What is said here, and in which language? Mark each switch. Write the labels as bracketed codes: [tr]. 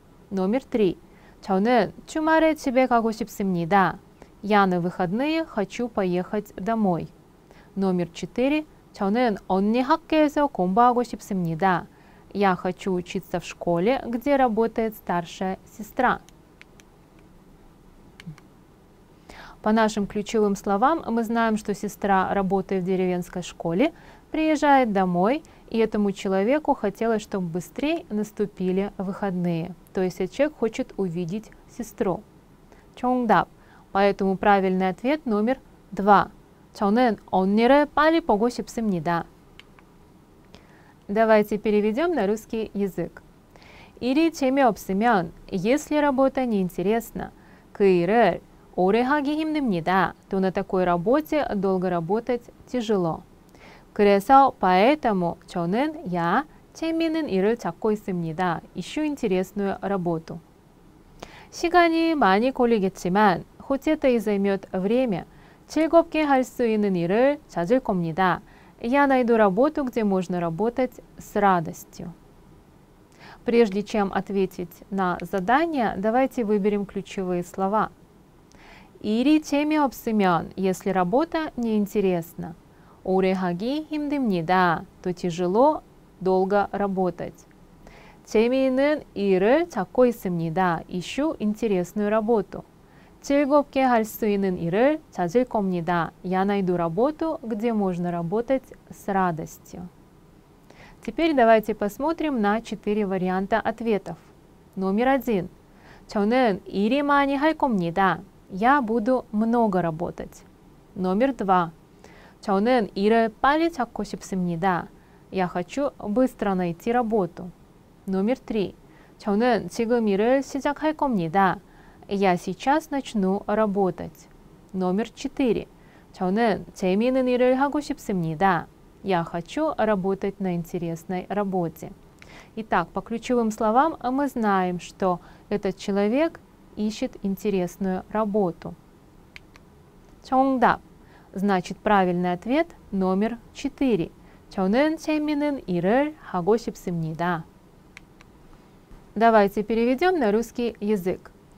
[ru] Номер 3. [ko] 저는 주말에 집에 가고 싶습니다. [ru] Я на выходные хочу поехать домой. Номер 4. [ko] 저는 언니 학교에서 공부하고 싶습니다. [ru] Я хочу учиться в школе, где работает старшая сестра. По нашим ключевым словам, мы знаем, что сестра работает в деревенской школе, приезжает домой, и этому человеку хотелось, чтобы быстрее наступили выходные. То есть человек хочет увидеть сестру. Чондап. Поэтому правильный ответ номер 2. [ko] 저는 언니를 빨리 보고 싶습니다. [ru] Давайте переведем на русский язык. [ko] 일이 재미없으면, [ru] если работа неинтересна, [ko] 그 일을 오래 하기 힘듭니다. [ru] То на такой работе долго работать тяжело. [ko] 그래서 [ru] поэтому [ko] 저는 [ru] я [ko] 재미있는 일을 찾고 있습니다. [ru] Ищу интересную работу. [ko] 시간이 많이 걸리겠지만, [ru] хоть это и займет время, [ko] 즐겁게 할 수 있는 일을 찾을 겁니다. [ru] Я найду работу, где можно работать с радостью. Прежде чем ответить на задание, давайте выберем ключевые слова. [ko] 일이 재미없으면, [ru] если работа неинтересна. [ko] 오래 하기 힘듭니다. [ru] То тяжело долго работать. [ko] 재미있는 일을 찾고 있습니다. [ru] Ищу интересную работу. [ko] 즐겁게 할 수 있는 일을 찾을 겁니다. [ru] Я найду работу, где можно работать с радостью. Теперь давайте посмотрим на 4 варианта ответов. Номер 1. [ko] 저는 일이 많이 할 겁니다. [ru] Я буду много работать. Номер два. [ko] 저는 일을 빨리 찾고 싶습니다. [ru] Я хочу быстро найти работу. Номер три. [ko] 저는 지금 일을 시작할 겁니다. [ru] Я сейчас начну работать. Номер четыре. [ko] 저는 재미있는 일을 하고 싶습니다. [ru] Я хочу работать на интересной работе. Итак, по ключевым словам мы знаем, что этот человек ищет интересную работу. [ko] 정답. [ru] Значит, правильный ответ номер 4. [ko] 저는 재미있는 일을 하고 싶습니다. [ru] Давайте переведем на русский язык.